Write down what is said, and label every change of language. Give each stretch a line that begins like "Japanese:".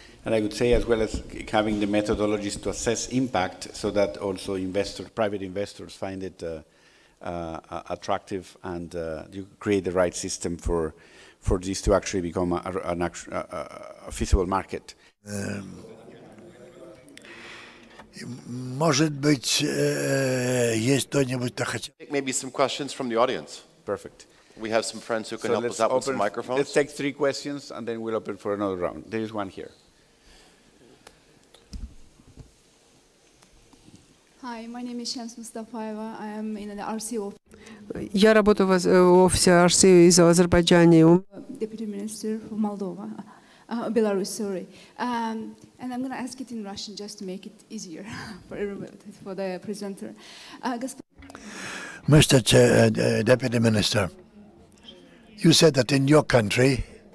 English: And I would say, as well as having the methodologies to assess impact, so that also private investors find it attractive, and you create the right system for this to actually become a feasible market.
Russian: Может быть, есть кто-нибудь, кто хочет?
English: Maybe some questions from the audience. Perfect. We have some friends who can help us out with some microphones. Let's take three questions and then we'll open for another round. There is one here. Hi, my name is Shams Mustafaeva. I am in the RC office.
Russian: Я работаю в офисе RC из Азербайджана.
English: Deputy Minister for Moldova. Belarus, sorry. And I'm going to ask it in Russian just to make it easier for everybody, for the presenter. Mr. Chair, Deputy Minister, you said that in your country,